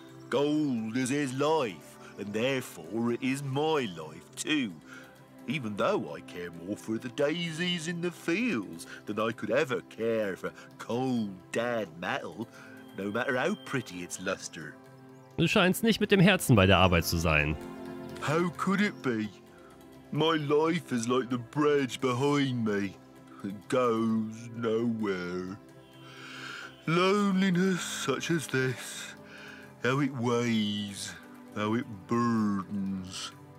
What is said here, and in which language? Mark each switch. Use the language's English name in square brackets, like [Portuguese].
[English] Gold is his life, and therefore it is my life too. Even though I care more for the daisies in the fields than I could ever care for cold, dead metal, no matter how pretty its luster. [German] Du scheinst nicht mit dem Herzen bei der Arbeit zu sein. [English] How could it be? My life is like the bridge behind me. It goes nowhere. Loneliness such as this, how it weighs, how it burdens.